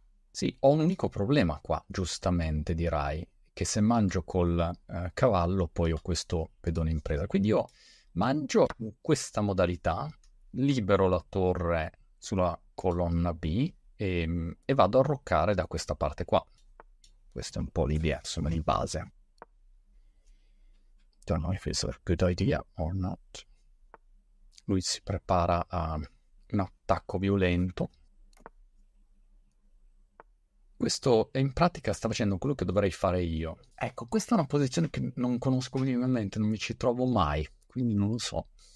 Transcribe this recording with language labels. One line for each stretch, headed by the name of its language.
Italian: Sì, ho un unico problema qua, giustamente dirai, che se mangio col cavallo poi ho questo pedone in presa. Quindi io mangio in questa modalità, libero la torre sulla colonna B e vado a arroccare da questa parte qua. Questa è un po' l'idea, insomma, di base.
English: Don't know if it's a good idea or not.
Italian: Lui si prepara a un attacco violento. Questo in pratica sta facendo quello che dovrei fare io. Ecco, questa è una posizione che non conosco minimamente, non mi ci trovo mai, quindi non lo so.